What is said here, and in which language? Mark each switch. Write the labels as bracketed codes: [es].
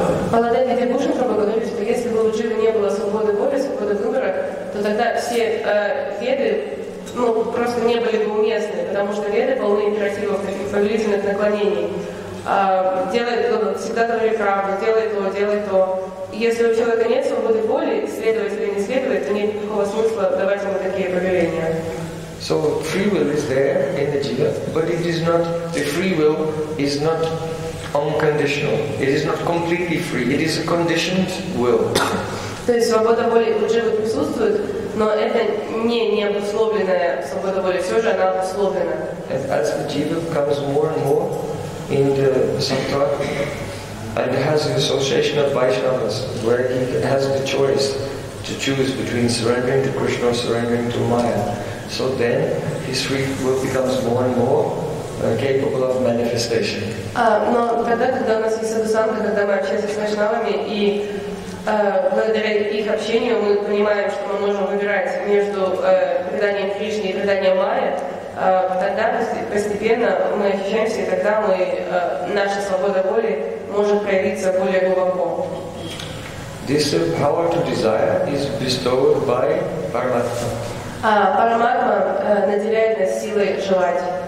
[ru] Баладеви Дебушин говорит, что если бы у Джива не было свободы воли, свободы выбора, то тогда все веды просто не были бы уместны, потому что веды полны императивов, таких повелительных наклонений. Делает то, всегда говорит правду, делает то. Если у человека нет свободы воли, следовать или не следовать, то нет никакого смысла давать ему такие повеления. [en] So free will is there in the Jiva, but it is not, the free will is not unconditional. It is not completely free. It is a conditioned will. [ru] То есть свобода воли у Джива присутствует, но это не необусловленная свобода воли. Все же она обусловлена. [en] And as the Jiva comes more and more in the Sattva and has an association of Vaishnavas where he has the choice to choose between surrendering to Krishna or surrendering to Maya, so then his free will becomes more and more capable of manifestation. [ru] Но тогда, когда у нас есть садхусанга, когда мы общаемся с вайшнавами, и благодаря их общению мы понимаем, что мы можем выбирать между преданием Кришне и преданием Майи, тогда постепенно мы ощущаемся, и тогда наша свобода воли может проявиться более глубоко. [en] This power to desire is bestowed by Paramatma. [ru] Параматма наделяет нас силой желать.